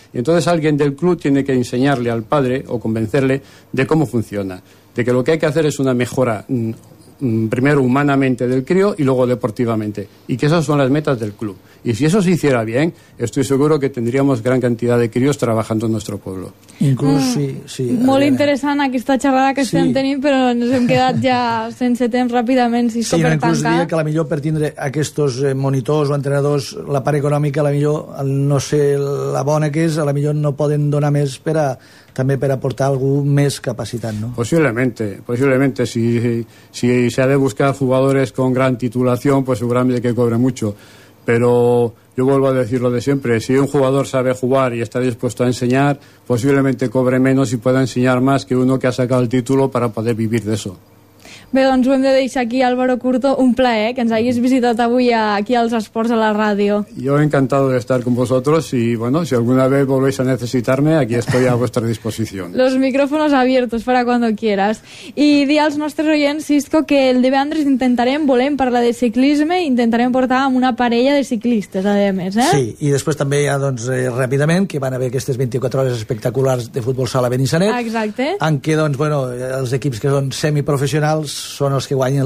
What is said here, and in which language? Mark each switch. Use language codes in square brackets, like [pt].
[es] Y entonces alguien del club tiene que enseñarle al padre o convencerle de cómo funciona. De que lo que hay que hacer es una mejora, primero humanamente del crío y luego deportivamente. Y que esas son las metas del club. Y si eso se hiciera bien, estoy seguro que tendríamos gran cantidad de críos trabajando en nuestro pueblo. Incluso, sí. [ca] Molt interessant aquesta xerrada que estem tenint, però ens hem quedat ja sense temps ràpidament. Sí, no, inclús diria que la millor per tindre aquests monitors o entrenadors, la part econòmica, la millor, no sé la bona que és, a la millor no poden donar més per aportar algú més capacitat, no? [es] Possiblemente. Si se ha de buscar jugadores con gran titulación, pues seguramente que cobre mucho. Pero yo vuelvo a decir lo de siempre, si un jugador sabe jugar y está dispuesto a enseñar, posiblemente cobre menos y pueda enseñar más que uno que ha sacado el título para poder vivir de eso. [ca] Bé, doncs ho hem de deixar aquí, Álvaro Curto, un plaer que ens hagis visitat avui aquí als Esports a la ràdio. [es] Yo encantado de estar con vosotros y bueno, si alguna vez volvéis a necesitarme, aquí estoy a vuestra disposición. Los micrófonos abiertos para cuando quieras. [ca] I dir als nostres oients, Sisko, que el divendres volem parlar de ciclisme i intentarem portar amb una parella de ciclistes, a més, Sí, i després també hi ha, doncs, ràpidament, que van haver aquestes 24 hores espectaculars de futbol sala Benissanet. Exacte. En què, doncs, bueno, els equips que són semiprofessionals són els que guanyen.